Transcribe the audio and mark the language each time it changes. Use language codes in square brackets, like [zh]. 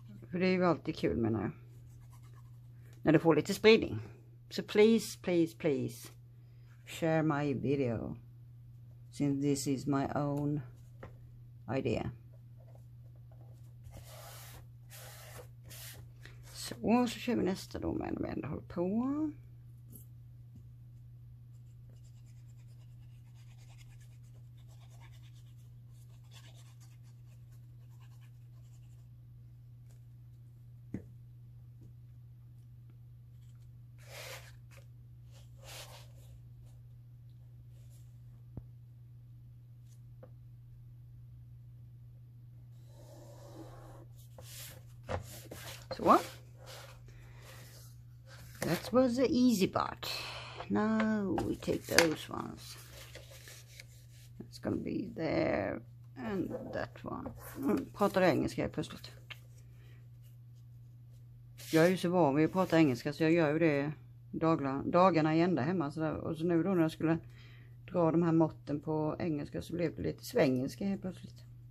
[sv] För det är ju alltid kul menar jag. När du får lite spridning. [en] Så please, please, please. Share my video. Since this is my own idea. [sv] Så kör vi nästa då med en håll på. Så. [en] That was the easy part. Now we take those ones. gonna be there and that one. [sv] Pratar du engelska i pusslet? Jag är ju så van vid att prata engelska så jag gör ju det dagarna i ända hemma. Så där. Och så nu då när jag skulle dra de här måtten på engelska så blev det lite svengelska helt plötsligt.